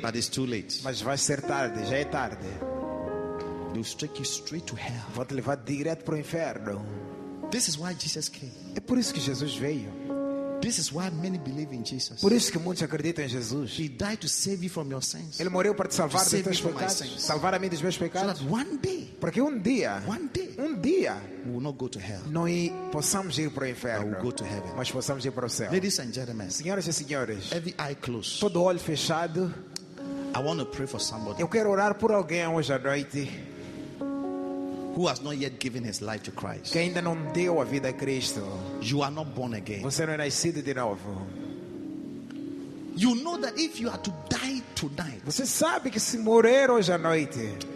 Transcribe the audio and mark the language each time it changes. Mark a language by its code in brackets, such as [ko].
[en] But it's too late. [pt] Mas vai ser tarde. Já é tarde. [en] They will take you straight to hell. [pt] Vão te levar direto para o inferno. [en] This is why Jesus came. [pt] É por isso que Jesus veio. [en] This is why many believe in Jesus. [pt] Por isso que muitos acreditam em Jesus. [en] He died to save you from your sins. [pt] Ele morreu para te salvar dos teus pecados. Salvar a mim dos meus pecados. [en] So one day, [pt] porque um dia, [en] one day, [pt] um dia, [en] we will not go to hell. [pt] Não possamos ir para o inferno. [en] We will go to heaven. [pt] Mas possamos ir para o céu. [en] Ladies and gentlemen, [pt] senhoras e senhores, [en] every eye closed. [pt] Todo olho fechado. [en] I want to pray for somebody. [pt] Eu quero orar por alguém hoje à noite. [en] Who has not yet given his life to Christ? [pt] Que ainda não deu a vida a Cristo. [en] You are not born again. [pt] Você não é nascido de novo. [en] You know that if you are to die tonight, [pt] você sabe que se morrer hoje à noite,